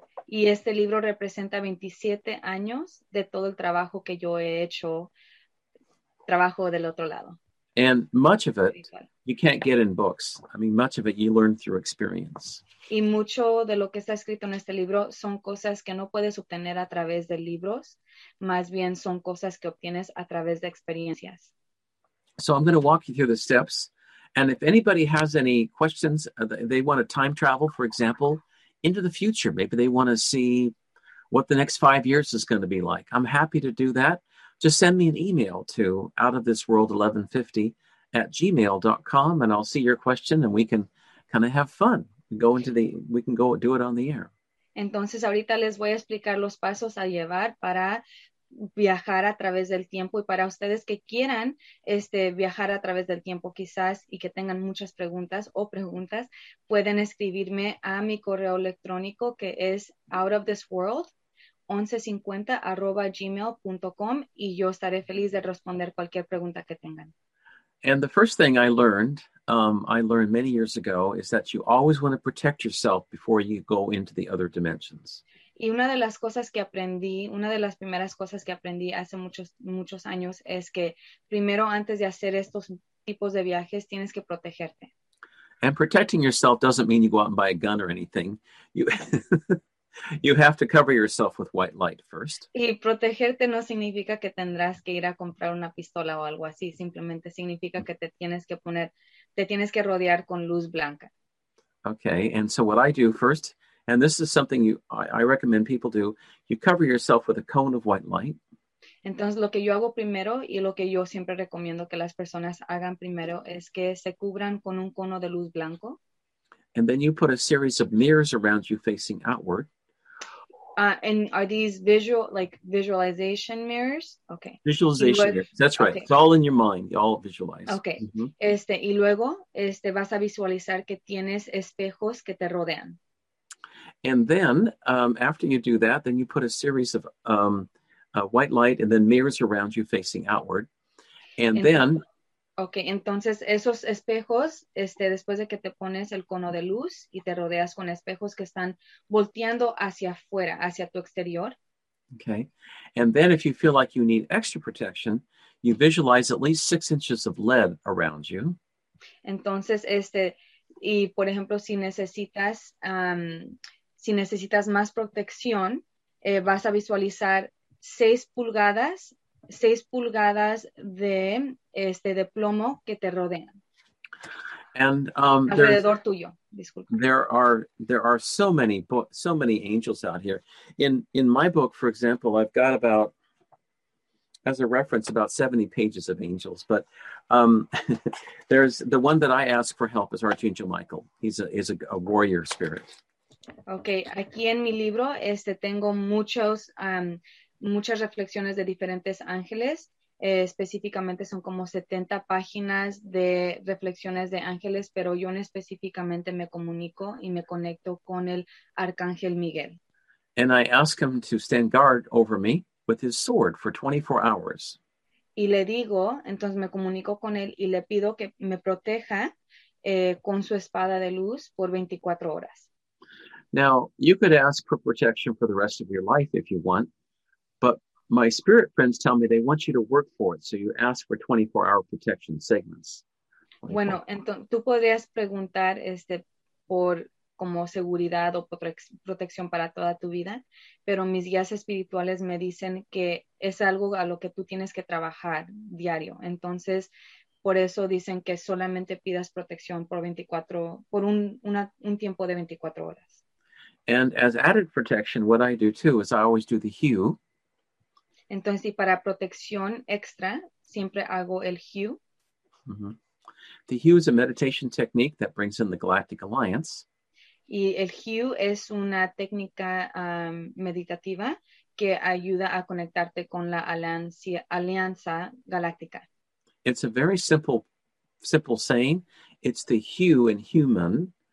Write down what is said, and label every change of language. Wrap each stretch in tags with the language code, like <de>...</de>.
<es>Y este libro representa 27 años de todo el trabajo que yo he hecho, trabajo del otro lado.</es> <en>And much of it, you can't get in books. I mean, much of it you learn through experience.</en> <es>Y mucho de lo que está escrito en este libro son cosas que no puedes obtener a través de libros. Más bien son cosas que obtienes a través de experiencias.</es> <en>So I'm going to walk you through the steps. And if anybody has any questions, they want to time travel, for example, into the future. Maybe they want to see what the next 5 years is going to be like. I'm happy to do that. Just send me an email to outofthisworld1150@gmail.com and I'll see your question and we can kind of have fun. We can go do it on the air.</en> <es>Entonces ahorita les voy a explicar los pasos a llevar para viajar a través del tiempo y para ustedes que quieran viajar a través del tiempo quizás y que tengan muchas preguntas o preguntas, pueden escribirme a mi correo electrónico que es outofthisworld1150@gmail.com y yo estaré feliz de responder cualquier pregunta que tengan.</es> <en>And the first thing I learned many years ago is that you always want to protect yourself before you go into the other dimensions.</en> <es>Y una de las cosas que aprendí, una de las primeras cosas que aprendí hace muchos, muchos años es que primero antes de hacer estos tipos de viajes tienes que protegerte.</es> <en>And protecting yourself doesn't mean you go out and buy a gun or anything. You have to cover yourself with white light first.</en> <es>Y protegerte no significa que tendrás que ir a comprar una pistola o algo así. Simplemente significa que te tienes que rodear con luz blanca.</es> <en>Okay, and so what I do first, and this is something I recommend people do, you cover yourself with a cone of white light.</en> <es>Entonces lo que yo hago primero y lo que yo siempre recomiendo que las personas hagan primero es que se cubran con un cono de luz blanco.</es> <en>And then you put a series of mirrors around you facing outward. And are these visual, like visualization mirrors? Okay. Visualization mirrors. That's right. Okay. It's all in your mind. You all visualize. Okay. Mm-hmm.</en> <es>Y luego, vas a visualizar que tienes espejos que te rodean.</es> <en>And then, after you do that, then you put a series of white light and then mirrors around you facing outward. And</en> <es>Okay, entonces esos espejos, después de que te pones el cono de luz y te rodeas con espejos que están volteando hacia afuera, hacia tu exterior.</es> <en>Okay, and then if you feel like you need extra protection, you visualize at least 6 inches of lead around you.</en> <es>Entonces, y por ejemplo, si necesitas más protección, vas a visualizar 6 pulgadas de plomo que te rodean.</es> <en>And</en> <es>alrededor tuyo, disculpa.</es> <en>There are so many angels out here. In my book, for example, I've got about, as a reference, about 70 pages of angels. But there's the one that I ask for help is Archangel Michael. He's a warrior spirit.</en> <es>Okay, aquí en mi libro tengo muchos muchas reflexiones de diferentes ángeles, específicamente son como 70 páginas de reflexiones de ángeles, pero yo específicamente me comunico y me conecto con el Arcángel Miguel.</es> <en>And I ask him to stand guard over me with his sword for 24 hours.</en> <es>Y le digo, entonces me comunico con él y le pido que me proteja con su espada de luz por 24 horas.</es> <en>Now, you could ask for protection for the rest of your life if you want. But my spirit friends tell me they want you to work for it. So you ask for 24-hour protection segments. 24.</en> <es>Bueno, tú podrías preguntar por como seguridad o protección para toda tu vida. Pero mis guías espirituales me dicen que es algo a lo que tú tienes que trabajar diario. Entonces, por eso dicen que solamente pidas protección por un tiempo de 24 horas.</es> <en>And as added protection, what I do too is I always do the hue.</en> <es>Entonces, y para protección extra, siempre hago el hue. Mm-hmm.</es> <en>The hue is a meditation technique that brings in the Galactic Alliance.</en> <es>Y el hue es una técnica meditativa que ayuda a conectarte con la alianza galáctica.</es> <en>It's a very simple saying. It's the hue in human.</en>